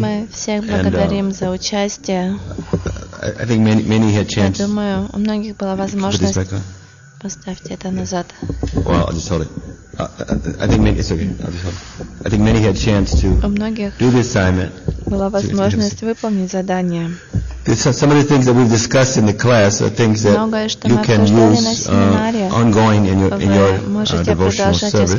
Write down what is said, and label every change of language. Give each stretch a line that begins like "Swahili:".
Russian: Мы всех благодарим за участие.
English: I think many had chance.
Russian: Я думаю, у многих была возможность. Поставьте это назад.
English: Well, I'll just hold it. I think many had chance to do the assignment.
Russian: Была возможность выполнить задание.
English: Some of the things that we've discussed in the class are things that you can use ongoing in your devotional service.